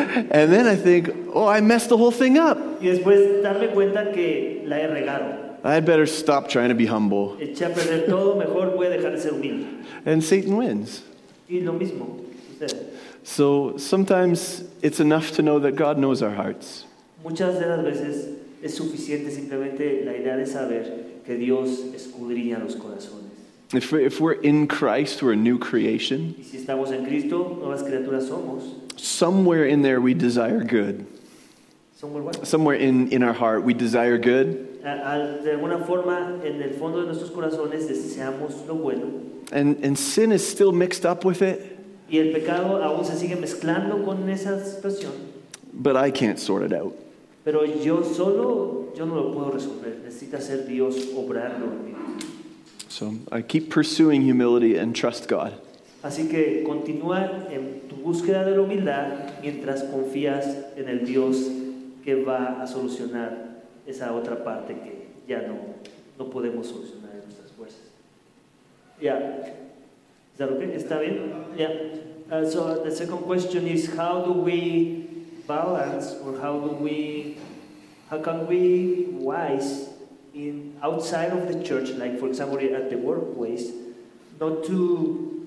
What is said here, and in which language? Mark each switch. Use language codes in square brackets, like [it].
[en] And then I think, oh, I messed the whole thing up. [es] Y después darme cuenta que la he regado. [en] I'd better stop trying to be humble. [es] Eché a perder todo, mejor voy a dejar de ser humilde. [en] And Satan wins. [es] Y lo mismo. [en] So sometimes it's enough to know that God knows our hearts. [es] Muchas de las veces es suficiente simplemente la idea de saber que Dios escudriña los corazones. [en] If we're in Christ, we're a new creation. [es] Y si estamos en Cristo, nuevas criaturas somos. [en] Somewhere in there we desire good. Somewhere in our heart we desire good. [es] De alguna forma, en el fondo de nuestros corazones deseamos lo bueno. [en] And sin is still mixed up with it. [es] Y el pecado aún se sigue mezclando con esa situación. [en] But I can't sort it out. [es] Pero yo solo, yo no lo puedo resolver. Necesita ser Dios obrarlo en mí. [en] So I keep pursuing humility and trust God. [es] Así que continúa en tu búsqueda de la humildad mientras confías en el Dios que va a solucionar esa otra parte que ya no podemos solucionar en nuestras fuerzas. [en] Yeah. Is that okay? [es] ¿Está bien? [en] Yeah. So the second question is, how do we balance, or how can we wise in outside of the church, like for example at the workplace, not to